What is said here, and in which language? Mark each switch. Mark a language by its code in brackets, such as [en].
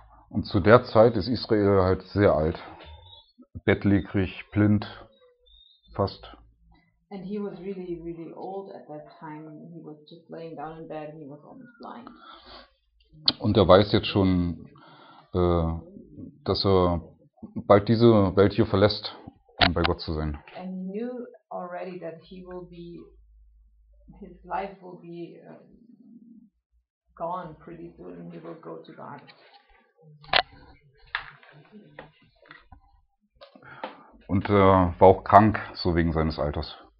[de] Und zu der Zeit ist Israel halt sehr alt. Bettlägerig, blind. Fast. [en] And he was really, really old at that time. He was just laying down in bed. He was almost blind. [de] Und er weiß jetzt schon, dass er bald diese Welt hier verlässt, um bei Gott zu sein. [en] And he knew already that he will be, his life will be gone pretty soon, and he will go to God. [de] Und er war auch krank, so wegen seines Alters.